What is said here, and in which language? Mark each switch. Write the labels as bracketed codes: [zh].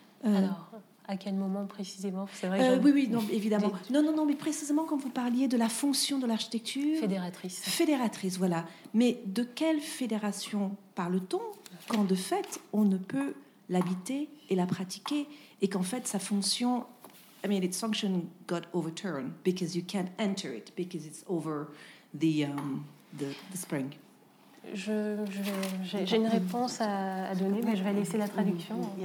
[fr] Alors, à quel moment précisément ? C'est vrai, Non, évidemment. Non, mais précisément quand vous parliez de la fonction de l'architecture. Fédératrice, voilà. Mais de quelle fédération parle-t-on quand, de fait, on ne peut l'habiter et la pratiquer et qu'en fait, sa fonction... [en] I mean, its function got overturned because you can't enter it because it's over the spring. [fr] J'ai une réponse à donner, mais je vais laisser la traduction.